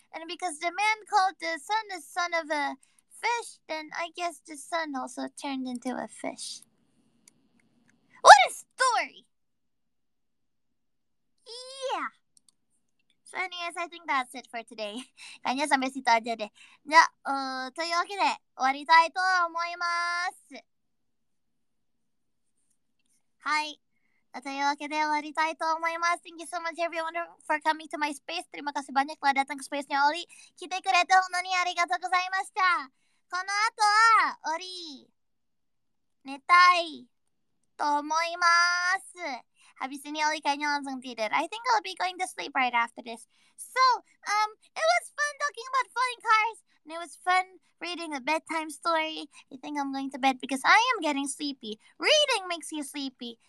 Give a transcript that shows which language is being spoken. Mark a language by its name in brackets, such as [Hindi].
[English] And because the man called the son of a fish, then I guess the son also turned into a fish. What a story! Yeah. So anyways, I think that's it for today. [Indonesian] Kanya sampai situ aja deh. [Japanese] Ya, というわけで終わりたいと思います。はい。というわけで終わりたいと思います。 [English] Thank you so much everyone for coming to my space. [Indonesian] 頼むかし banyak lah datang ke space nya Oli. [Japanese] 来てくれて本当にありがとうございました。この後は、オリ、寝たいと思います。 [Indonesian] Habis ini Oli kayaknya langsung tidur. [English] I think I'll be going to sleep right after this. So, it was fun talking about flying cars. And it was fun reading a bedtime story. I think I'm going to bed because I am getting sleepy. Reading makes you sleepy.